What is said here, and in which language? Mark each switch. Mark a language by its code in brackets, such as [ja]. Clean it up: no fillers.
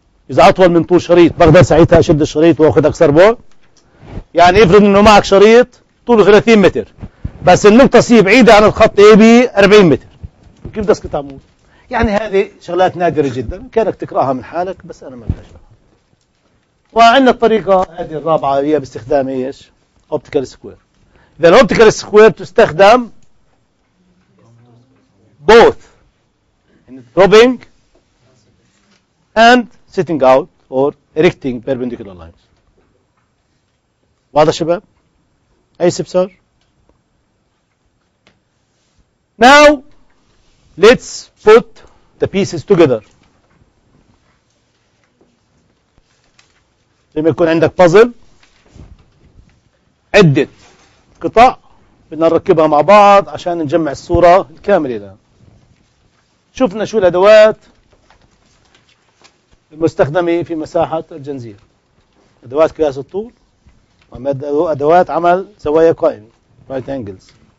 [ar] إذا أطول من طول شريط بقدر ساعتها أشد الشريط وأخذ أكثر بعد يعني افرض أنه معك شريط طوله 30 متر بس النقطة سي بعيدة عن الخط اي بي 40 متر كيف بدي أسقط عمود يعني هذه شغلات نادرة جدا كانك تقرأها من حالك بس أنا ما بدي وعندنا الطريقة هذه الرابعة هي باستخدام ايش؟ اوبتيكال سكوير. إذا الاوبتيكال سكوير تستخدم [en] both in dropping and sitting out or erecting perpendicular lines. [ar] واضح شباب؟ أي استفسار؟ [en] Now let's put the pieces together. [ar] لما يكون عندك بازل عدة قطع بدنا نركبها مع بعض عشان نجمع الصورة الكاملة لها شفنا شو الأدوات المستخدمة في مساحة الجنزير أدوات قياس الطول وأدوات عمل زوايا قائمة right angles